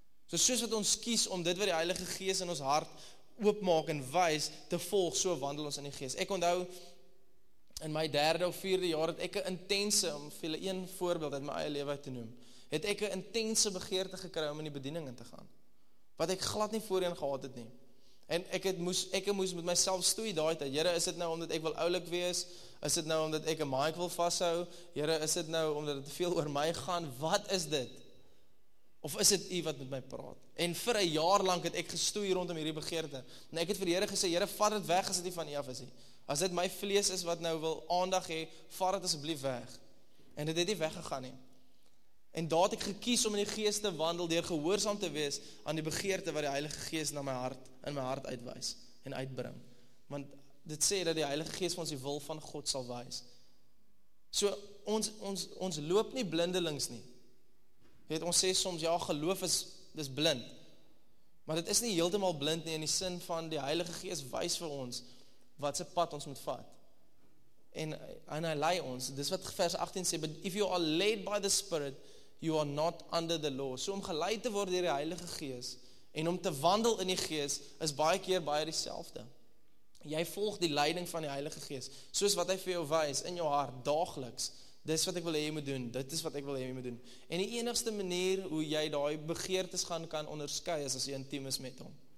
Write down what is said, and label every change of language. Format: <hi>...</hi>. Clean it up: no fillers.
<af>So soos wat ons kies om dit wat die Heilige Gees in ons hart oopmaak en wys te volg, so wandel ons in die Gees. Ek onthou, in my derde of vierde jaar het ek 'n intense, om vir julle een voorbeeld uit my eie lewe te noem, het ek 'n intense begeerte gekry om in die bediening in te gaan, wat ek glad nie voorheen gehad het nie. En ek moes met myself stoei daai tyd. Here, is dit nou omdat ek wil oulik wees? Is dit nou omdat ek 'n mic wil vashou? Here, is dit nou omdat dit te veel oor my gaan? Wat is dit? Of is dit U wat met my praat? En vir 'n jaar lank het ek gestoei rondom hierdie begeerte. En ek het vir die Here gesê, Here, vat dit weg as dit nie van U af is nie. As dit my vlees is wat nou wil aandag hê, vat dit asseblief weg. En dit het nie weggegaan nie. En daar het ek gekies om in die Gees te wandel, deur gehoorsaam te wees aan die begeerte wat die Heilige Gees in my hart uitwys en uitbring. Want dit sê dat die Heilige Gees vir ons die wil van God sal wys. So ons loop nie blindelings nie. Het ons sê soms, ja, geloof is blind. Maar dit is nie heeltemal blind nie, in die sin van die Heilige Gees wys vir ons wat se pad ons moet vat. En hy lei ons. Dis wat vers 18 sê,</af> <en>but if you are led by the Spirit, you are not under the law.</en> <af>So om gelei te word deur die Heilige Gees en om te wandel in die Gees is baie keer baie dieselfde. Jy volg die leiding van die Heilige Gees, soos wat hy vir jou wys in jou hart daagliks. Dis wat ek wil hê jy moet doen, dit is wat ek wil hê jy moet doen. En die enigste manier hoe jy daai begeertes gaan kan onderskei is as jy intiem is met hom.</af>